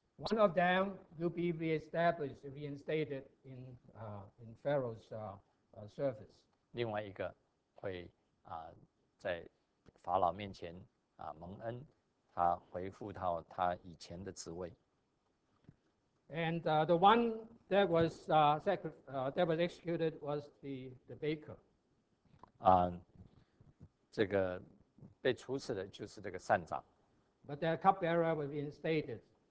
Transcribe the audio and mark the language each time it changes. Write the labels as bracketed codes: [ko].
[en] One of them will be reinstated in Pharaoh's service. [zh] 另外一个会在法老面前蒙恩，他恢复到他以前的职位。 [en] And the one that was executed was the baker. [zh] 这个被处死的就是这个膳长。 [en] But the cupbearer was reinstated.